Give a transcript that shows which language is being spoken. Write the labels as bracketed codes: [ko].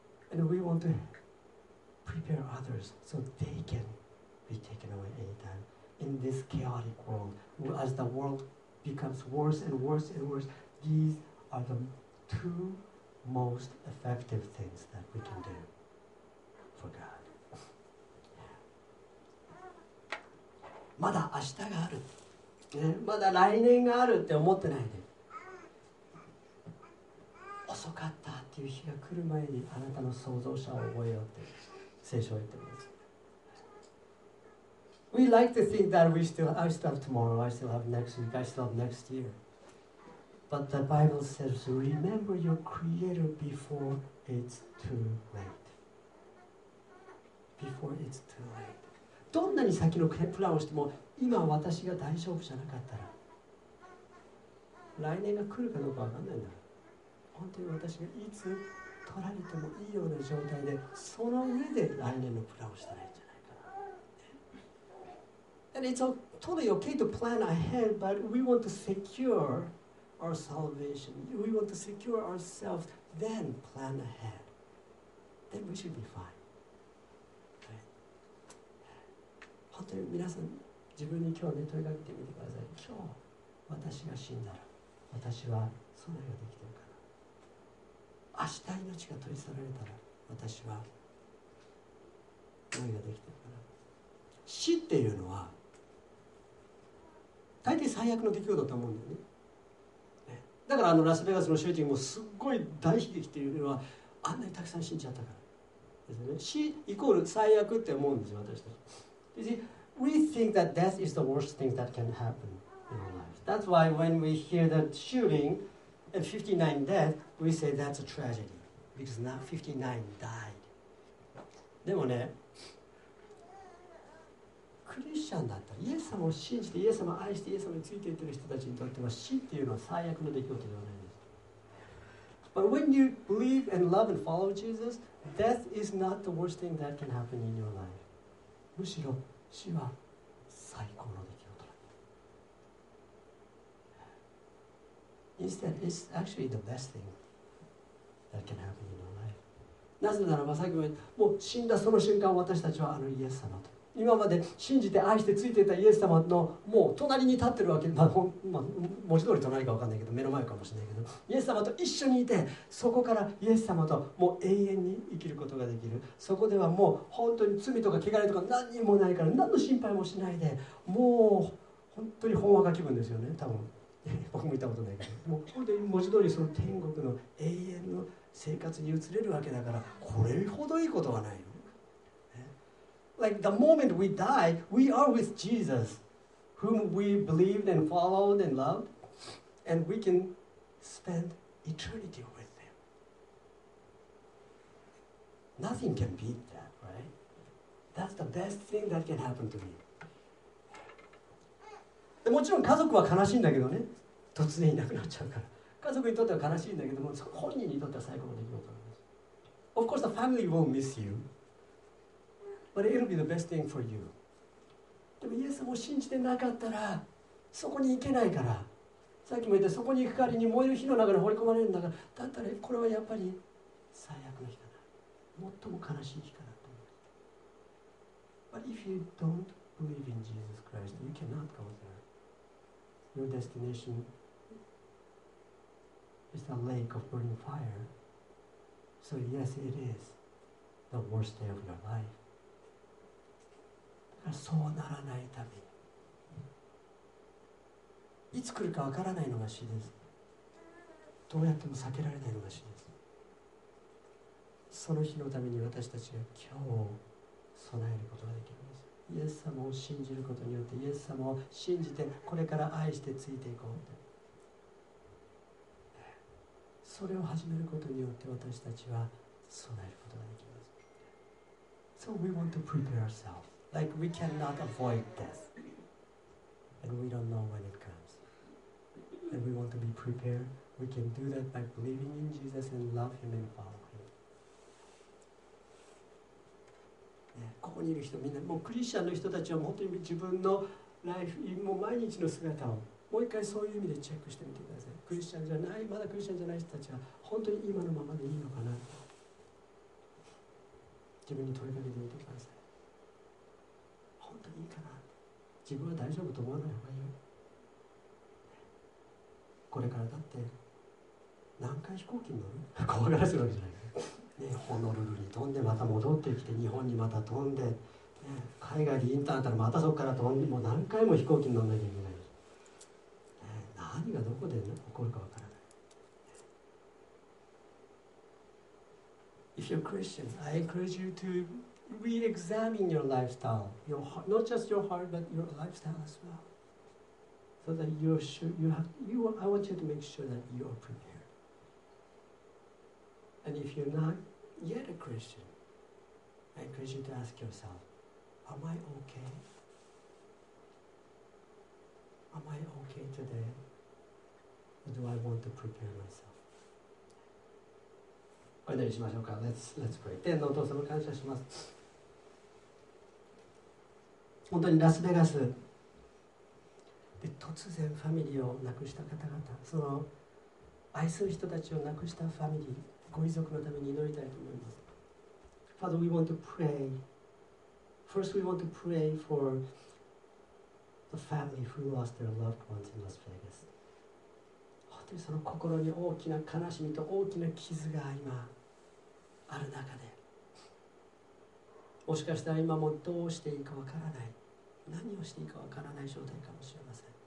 [en] And we want to prepare others so they can be taken away anytime. In this chaotic world, as the world becomes worse and worse and worse, these are the two most effective things that we can do for God. [ja] まだ明日がある。ね、まだ来年があるって思ってないで。遅かったっていう日が来る前にあなたの創造者を覚えようって聖書は言ってます。 [en] We like to think that I still have tomorrow, I still have next week, I still have next year. But the Bible says, remember your Creator before it's too late. Before it's too late. [ja] どんなに先のプランをしても今私が大丈夫じゃなかったら来年が来るかどうかわかんないんだ。本当に私がいつ取られてもいいような状態で、その上で来年のプランをしたらいいんじゃないかな。 [en] And it's totally okay to plan ahead, but we want to secure our salvation. We want to secure ourselves then plan ahead. Then we should be fine. [ja] 本当に皆さん、自分に今日ね、問いかけてみてください。今日、私が死んだら、私は備えができているかな。明日命が取り去られたら、私は備えができているかな。死っていうのは、大抵最悪の出来事だと思うんだよね。だからあのラスベガスの囚人もすっごい大悲劇っていうのは、あんなにたくさん死んじゃったからですね。死イコール最悪って思うんですよ、私たち。 [en] You see, we think that death is the worst thing that can happen in our life. That's why when we hear that shooting and 59 death, we say that's a tragedy. Because now 59 died. [ja] でもね、クリスチャンだったら、イエス様を信じて、イエス様を愛して、イエス様についていってる人たちにとっては死っていうのは最悪の出来事ではないです。 [en] But when you believe and love and follow Jesus, death is not the worst thing that can happen in your life. [ja] むしろ死は最高の出来事だ。 [en] Instead, it's actually the best thing that can happen in our life. [ja] なぜならば、さっきも言った、もう死んだその瞬間、私たちはあのイエス様と。今まで信じて愛してついていたイエス様のもう隣に立ってるわけ、まあ、まあ、文字通り隣か分かんないけど、目の前かもしれないけど、イエス様と一緒にいて、そこからイエス様ともう永遠に生きることができる。そこではもう本当に罪とか汚れとか何にもないから、何の心配もしないで、もう本当に本話が気分ですよね、多分。僕も見たことないけど、もう本当に文字通りその天国の永遠の生活に移れるわけだから、これほどいいことはないよ。 [en] Like the moment we die, we are with Jesus, whom we believed and followed and loved, and we can spend eternity with him. Nothing can beat that, right? That's the best thing that can happen to me. [ja] でもちろん家族は悲しいんだけどね。突然いなくなっちゃうから。家族にとっては悲しいんだけども、本人にとっては最高の出来事なんです。 [en] Of course, the family will miss you. But it'll be the best thing for you. [ja] でもイエス様を信じてなかったらそこに行けないから、さっきも言ったそこに行く代わりに燃える火の中に放り込まれるんだから、だったらこれはやっぱり最悪の日かな、最も悲しい日かなと思う。 [en] But if you don't believe in Jesus Christ, you cannot go there. Your destination is the lake of burning fire. So yes, it is the worst day of your life [ja] そうならないため、いつ来るかわからないのが死です。どうやっても避けられないのが死です。その日のために私たちが今日を備えることができるんです。イエス様を信じることによって、イエス様を信じてこれから愛してついていこうって。それを始めることによって私たちは備えることができます。 [en] So we want to prepare ourselves. Like we cannot avoid death. And we don't know when it comes. And we want to be prepared. We can do that by believing in Jesus and love him and follow him. [ja] ね、ここにいる人みんな、もうクリスチャンの人たちは本当に自分のライフ、もう毎日の姿をもう一回そういう意味でチェックしてみてください。クリスチャンじゃない、まだクリスチャンじゃない人たちは本当に今のままでいいのかな。自分に問いかけてみてください。いいかな、自分は大丈夫と思わない方がいいよ。これからだって何回飛行機に乗る、怖がらせるわけじゃない、ね、ホノルルに飛んでまた戻ってきて日本にまた飛んで、ね、海外でインターンあったらまたそこから飛んで、もう何回も飛行機に乗らなきゃいけない、ね、何がどこで、ね、起こるかわからない。 [en] If you're Christian, I encourage you toreexamine your lifestyle, your heart, not just your heart, but your lifestyle as well. So that you're sure, I want you to make sure that you are prepared. And if you're not yet a Christian, I encourage you to ask yourself, am I okay? Am I okay today? Or do I want to prepare myself? [ja] お祈りしましょうか。 [en] Let's pray. [ja] 天のお父様、感謝します。本当にラスベガスで突然ファミリーを亡くした方々、その愛する人たちを亡くしたファミリー、ご遺族のために祈りたいと思います。 [en] Father, we want to pray. First, we want to pray for the family who lost their loved ones in Las Vegas. [ja] 本当にその心に大きな悲しみと大きな傷が今ある中で、もしかしたら今もどうしていいかわからない、何をしていいかわからない状態かもしれません。